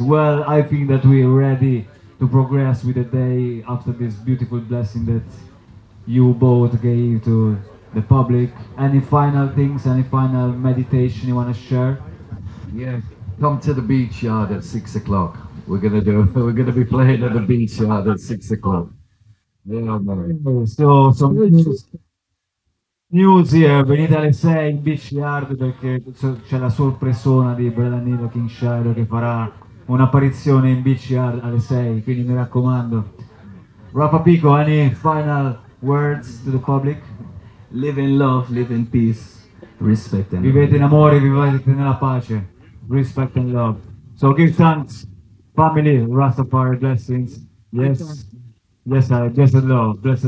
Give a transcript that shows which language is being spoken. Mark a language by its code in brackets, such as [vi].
[en] Well, I think that we are ready to progress with the day after this beautiful blessing that you both gave to the public. Any final things, any final meditation you want to share? Yeah, come to the beach yard at 6 o'clock. We're gonna be playing at the beach yard at 6 o'clock. Yeah, so some news here. [it] Venite alle 6 in beach yard, perché c'è la sorpresona di Brother Neil King Shadow che farà un'apparizione in beach yard alle 6, quindi mi raccomando. [en] Rafa Pico, any final words to the public? Live in love, live in peace, respect and [it] vivete in amore, vivete nella pace, [en] respect and love. So give thanks, family, Rastafari, blessings. Yes, yes, I, blessed love.